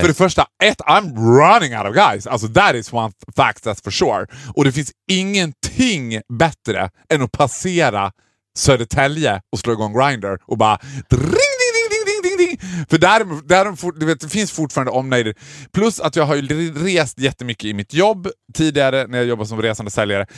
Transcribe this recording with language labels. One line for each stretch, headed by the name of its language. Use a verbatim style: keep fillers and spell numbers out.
Swedish: För det första, ett,
English: I'm running out of guys. Alltså, that is one fact, that's for sure.
Swedish: Och det finns ingenting bättre än att passera Södertälje och slå igång Grindr och bara dring, ding, ding, ding, ding, ding. För där, där for, du vet, det finns fortfarande omnöjder. Plus att jag har ju rest jättemycket i mitt jobb tidigare när jag jobbade som resande säljare.